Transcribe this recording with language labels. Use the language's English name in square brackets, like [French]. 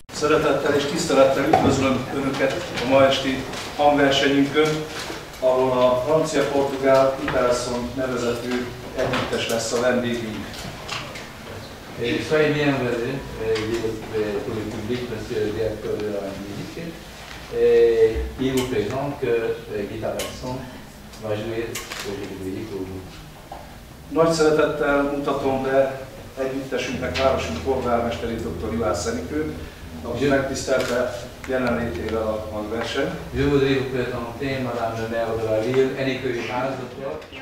[Hungarian] Szeretettel és tisztelettel üdvözlöm Önöket a ma esti hangversenyünkön, ahol a francia-portugál Iverson nevezetű együttes lesz a vendégünk. [French] Soyez bienvenus pour le public, monsieur le directeur de la musique, qui vous présente que Guy Iverson va jouer aujourd'hui pour vous. [Hungarian] Nagy szeretettel mutatom be együttesünknek városunk polgármesterét, dr. Juhász Enikő, aki megtisztelte jelenlétével a hangversenyt. [French] Je voudrais vous présenter madame le maire de la ville, Enikő Juhász, doktor.